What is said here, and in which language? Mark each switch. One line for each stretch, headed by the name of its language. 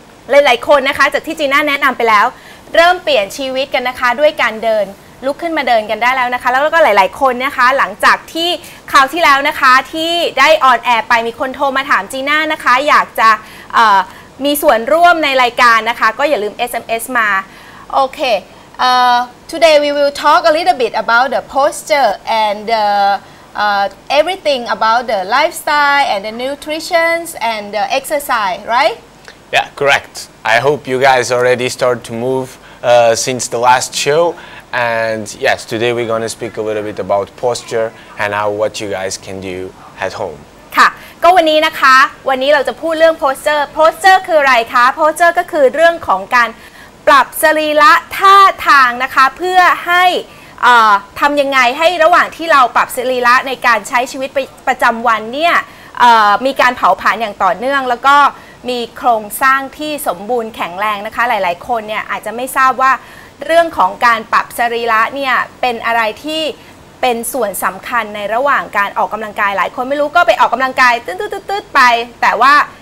Thai: หลายๆคนนะคะจากที่จีน่าแนะนำไปแล้วเริ่มเปลี่ยนชีวิตกันนะคะด้วยการเดินลุกขึ้นมาเดินกันได้แล้วนะคะแล้วก็หลายๆคนนะคะหลังจากที่คราวที่แล้วนะคะที่ได้ออนแอร์ไปมีคนโทรมาถามจีน่านะคะอยากจะมีส่วนร่วมในรายการนะคะก็อย่าลืม SMS มาโอเค
English: today we will talk a little bit about the posture and theeverything about the lifestyle and the nutrition and the exercise, right? Yeah, correct. I hope you guys already start to move since the last show. And yes, today we're going to speak a little bit about posture and how what you guys can do at home.
Thai: ค่ะก็วันนี้นะคะวันนี้เราจะพูดเรื่อง posture. Posture คืออะไรคะ Posture ก็คือเรื่องของการปรับสรีระท่าทางนะคะเพื่อให้ทำยังไงให้ระหว่างที่เราปรับสรีระในการใช้ชีวิตประจำวันเนี่ยมีการเผาผลาญอย่างต่อเนื่องแล้วก็มีโครงสร้างที่สมบูรณ์แข็งแรงนะคะหลายๆคนเนี่ยอาจจะไม่ทราบว่าเรื่องของการปรับสรีระเนี่ยเป็นอะไรที่เป็นส่วนสำคัญในระหว่างการออกกำลังกายหลายคนไม่รู้ก็ไปออกกำลังกายตึ๊ดๆๆไปแต่ว่า